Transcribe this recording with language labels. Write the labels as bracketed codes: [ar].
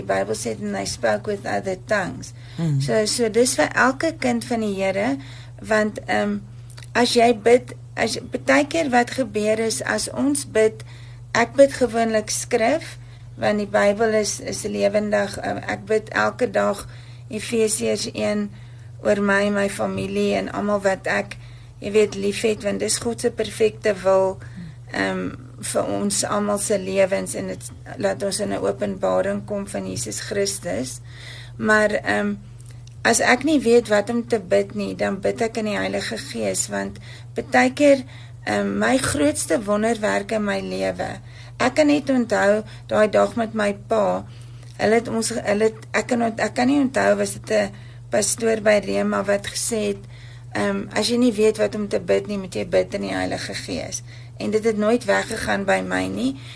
[af] Die Bybel sê, [en] and they spoke with other tongues. [af] So dis vir elke kind van die Here, want as jy bid, as baie keer wat gebeur is, as ons bid, ek bid gewoonlik skrif, want die Bybel is lewendig, ek bid elke dag Efesiërs 1 oor my en my familie en allemaal wat ek, jy weet, lief het, want dis God se perfekte wil vir ons allemaal se lewens, en het laat ons in 'n openbaring kom van Jesus Christus. Maar as ek nie weet wat om te bid nie, dan bid ek in die Heilige Gees, want partykeer my grootste wonderwerk in my lewe. Ek kan net onthou daai dag met my pa. Ek kan nie onthou was dit 'n pastoor by Rema wat gesê het, as jy nie weet wat om te bid nie, moet jy bid in die Heilige Gees. En dit het nooit weggegaan by my nie.